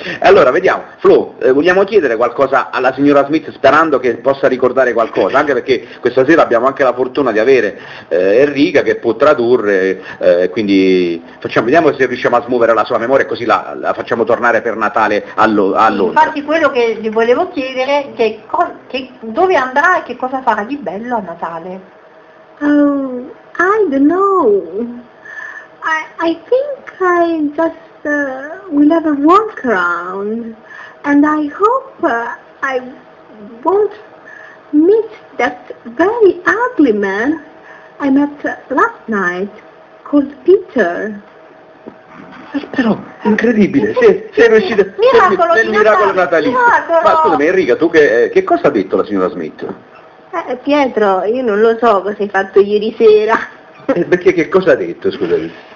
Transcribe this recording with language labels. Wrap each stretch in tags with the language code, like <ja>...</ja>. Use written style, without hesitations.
<it>Allora vediamo, Flo, vogliamo chiedere qualcosa alla signora Smith sperando che possa ricordare qualcosa, anche perché questa sera abbiamo anche la fortuna di avere Enrica che può tradurre, quindi vediamo se riusciamo a smuovere la sua memoria, così la facciamo tornare per Natale a Londra. Infatti quello che gli volevo chiedere è che dove andrà e che cosa farà di bello a Natale.</it> <en>Oh, I don't know. I think I just will have a walk around, and I hope I won't meet that very ugly man I met last night, called Peter.</en> <it>Però, incredibile, sei riuscita... Miracolo natalizio! Ma scusami Enrica, tu che cosa ha detto la signora Smith? Pietro, io non lo so cosa hai fatto ieri sera. Perché che cosa ha detto, scusami?</it>